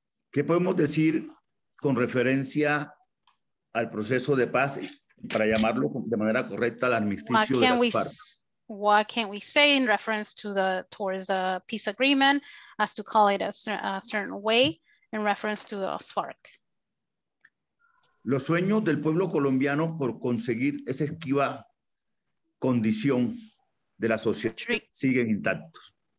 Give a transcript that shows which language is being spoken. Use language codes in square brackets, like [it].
[es] ¿Qué podemos decir con referencia al proceso de paz, para llamarlo de manera correcta, al armisticio de las partes? [en] What can we say in reference to the towards the peace agreement, as to call it a certain way, in reference to the SFARC? [es] Los sueños del pueblo colombiano por conseguir esa esquiva condición de la sociedad siguen intactos.